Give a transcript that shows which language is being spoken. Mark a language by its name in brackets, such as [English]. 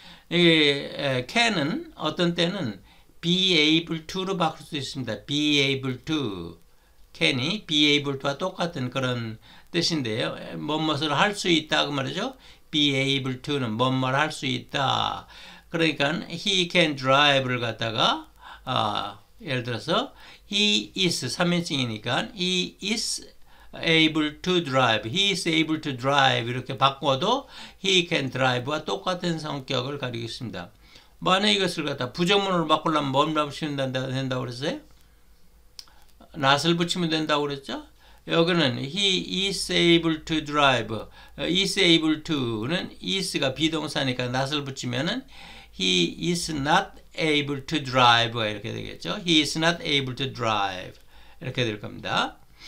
[Korean] 이 can은 어떤 때는 be able to로 바꿀 수 있습니다. Be able to. Can이 be able to와 똑같은 그런 뜻인데요. 뭐뭐를 할수 있다고 말이죠. Be able to는 뭐뭐를 할수 있다. 그러니까 [English] he can drive를 갖다가 [Korean] 예를 들어서 [English] he is [Korean] 3인칭이니까 [English] he is able to drive. He is able to drive [Korean] 이렇게 바꿔도 [English] he can drive와 [Korean] 똑같은 성격을 가지고 있습니다. 만약 이것을 갖다 부정문으로 바꾸려면 뭐뭐를 붙인다고 그랬어요? not을 붙이면 된다고 그랬죠? 여기는 [English] he is able to drive. is able to는 is가 비동사니까 not을 붙이면은 he is not able to drive [Korean] 이렇게 되겠죠. [English] he is not able to drive [Korean] 이렇게 될 겁니다.